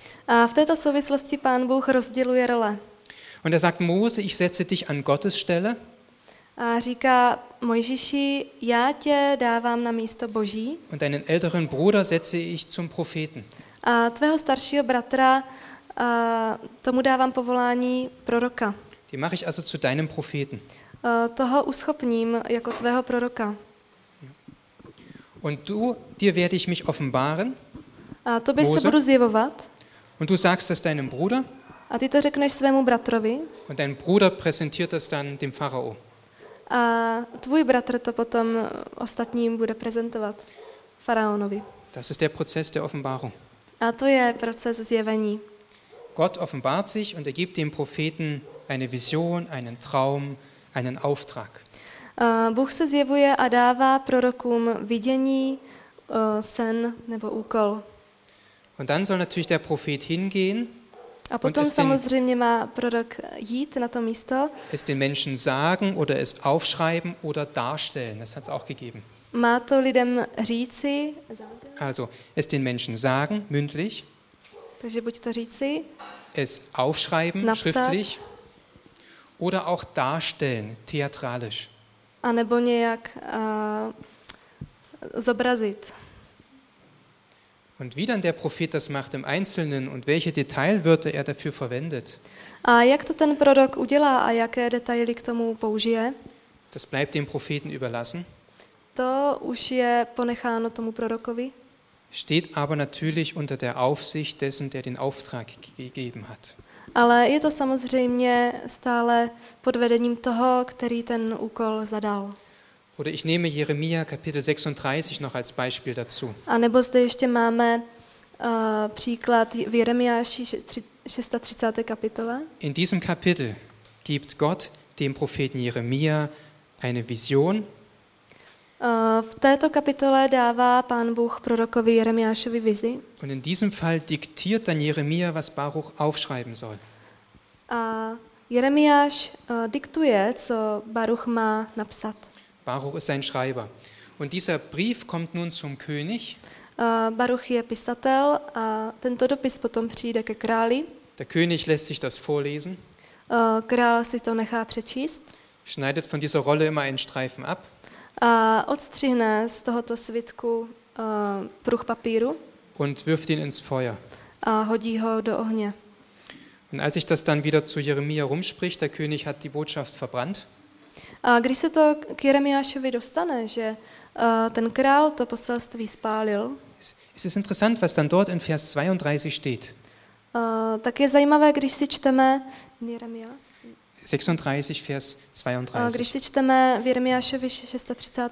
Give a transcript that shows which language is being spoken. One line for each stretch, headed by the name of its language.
Czech: A v této souvislosti Pán Bůh rozděluje role.
German: Und sagt Mose, ich setze dich an Gottes Stelle.
Czech: A říká Mojžiši, já tě dávám na místo Boží.
German: Und deinen älteren Bruder setze ich zum Propheten.
Czech: A tvého staršího bratra tomu dávám povolání proroka.
German: Den mache ich also zu deinem Propheten.
Czech: Toho uschopním jako tvého proroka.
German: Und du, dir werde ich mich offenbaren.
Czech: A tobě se budu zjevovat.
German: Und du sagst das deinem Bruder.
Czech: A ty to řekneš svému bratrovi.
German: Und dein Bruder präsentiert das dann dem Pharao.
Czech: A tvůj bratr to potom ostatním bude prezentovat faraonovi.
German: Das ist der Prozess der Offenbarung.
Czech: A to je proces zjevení.
German: Gott offenbart sich und gibt dem Propheten eine Vision, einen Traum, einen Auftrag.
Czech: Bůh se zjevuje a dává prorokům vidění, sen nebo úkol.
German: Und dann soll natürlich der Prophet hingehen.
Czech: A potom samozřejmě má prorok jít na to místo.
German: Es den Menschen sagen oder es aufschreiben oder darstellen. Das hat's auch gegeben.
Czech: Má to lidem říci.
German: Also, es den Menschen sagen, mündlich.
Czech: Takže buď to říci.
German: Es aufschreiben, schriftlich. Oder auch darstellen, theatralisch.
Czech: A nebo nějak zobrazit.
German: Und wie dann der Prophet das macht im Einzelnen und welche Detailwörter er dafür verwendet.
Czech: A jak to ten prorok udělá a jaké detaily k tomu použije?
German: Das bleibt dem Propheten überlassen.
Czech: To už je ponecháno tomu prorokovi.
German: Steht aber natürlich unter der Aufsicht dessen, der den Auftrag gegeben hat.
Czech: Ale je to samozřejmě stále pod vedením toho, který ten úkol zadal.
German: Oder ich nehme Jeremia Kapitel 36 noch als Beispiel dazu.
Czech: A nebo zde ještě máme příklad v Jeremiáši 36. kapitole.
German: In diesem Kapitel gibt Gott dem Propheten Jeremia eine Vision.
Czech: V této kapitole dává Pán Bůh prorokovi Jeremiášovi vizi.
German: Und in diesem Fall diktiert dann Jeremia, was Baruch aufschreiben soll.
Czech: A Jeremiáš diktuje, co Baruch má napsat.
German: Baruch ist sein Schreiber. Und dieser Brief kommt nun zum König.
Czech: Baruch je pisatel a tento dopis potom přijde ke králi.
German: Der König lässt sich das vorlesen.
Czech: Král si to nechá přečíst.
German: Schneidet von dieser Rolle immer einen Streifen ab.
Czech: A odstřihne z tohoto svitku pruh papíru.
German: Und wirft ihn ins Feuer.
Czech: A hodí ho do ohně.
German: Und als sich das dann wieder zu Jeremia rumspricht, der König hat die Botschaft verbrannt.
Czech: A když se to k Jeremiášovi dostane, že ten král to poselství spálil.
German: Es ist interessant, was dann dort in Vers 32 steht.
Czech: Tak je zajímavé, když si čteme Jeremia
German: 36 Vers 32.
Czech: Když si čteme v Jeremiášovi 36.